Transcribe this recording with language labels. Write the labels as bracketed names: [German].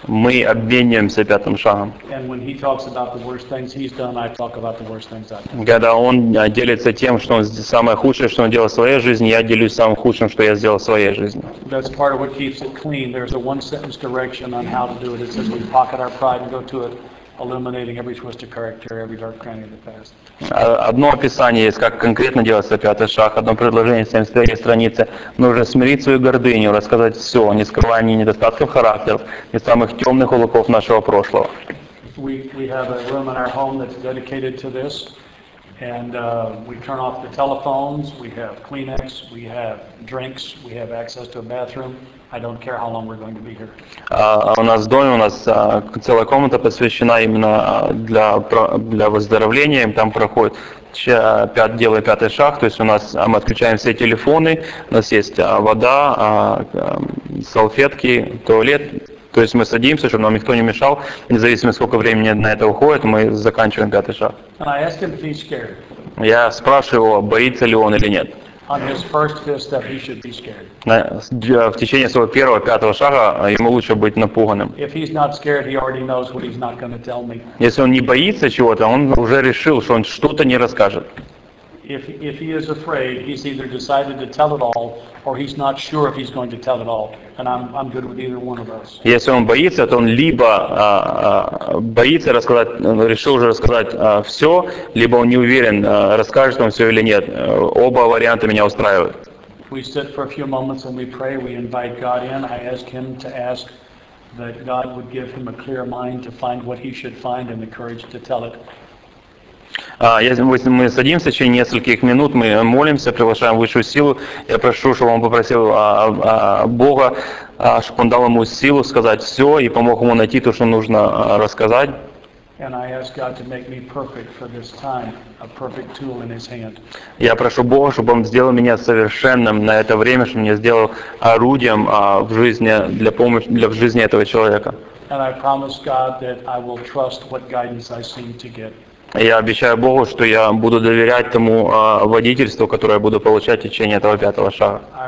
[Russian] Мы обмениваемся пятым шагом. [English] And when he talks about the worst things he's done, I talk about the worst things I've done. [Russian] Когда он делится тем, что он самое худшее, что он делал в своей жизни, я делюсь самым худшим, что я сделал в своей жизни. [English] That's part of what keeps it clean. There's a one sentence direction on how to do it. It says we pocket our pride and go to it, illuminating every twist of character, every dark cranny of the past. [Russian] Одно описание есть, как конкретно делается пятый шаг, одно предложение, 73 страницы. Нужно смирить свою гордыню, рассказать все, не скрывая ни недостатков характеров, ни самых темных уголков нашего прошлого. [English] We have a room in our home that's dedicated to this, and we turn off the telephones, we have Kleenex, we have drinks, we have access to a bathroom. I don't care how long we're going to be here. [Russian] У нас в доме, у нас целая комната посвящена именно для выздоровления. Там проходит пятый шаг. То есть у нас мы отключаем все телефоны, у нас есть вода, салфетки, туалет. То есть мы садимся, чтобы нам никто не мешал. Независимо, сколько времени на это уходит, мы заканчиваем пятый шаг. [English] And I ask him if he's scared. [Russian] Я спрашиваю его, боится ли он или нет. [English] On his first fifth step, he should be scared. [Russian] В течение своего первого пятого шага ему лучше быть напуганным. [English] If he's not scared, he already knows what he's not going to tell me. [Russian] Если он не боится чего-то, он уже решил, что он что-то не расскажет. [English] If he is afraid, he's either decided to tell it all, or he's not sure if he's going to tell it all, and I'm good with either one of us. [Russian] Если он боится, то он либо боится рассказать, решил уже рассказать все, либо он не уверен, расскажет он все или нет. Оба варианта меня устраивают. [English] We sit for a few moments and we pray. We invite God in. I ask Him to ask that God would give him a clear mind to find what he should find and the courage to tell it. [Russian] Мы садимся, через нескольких минут мы молимся, приглашаем высшую силу. Я прошу, чтобы он попросил Бога, чтобы он дал ему силу сказать все и помог ему найти то, что нужно рассказать. Я прошу Бога, чтобы он сделал меня совершенным на это время, чтобы меня сделал орудием в жизни для помощи для в жизни этого человека. [English] And I promise God that I will trust what guidance I seem to get. [Russian] Я обещаю Богу, что я буду доверять тому водительству, которое я буду получать в течение этого пятого шага.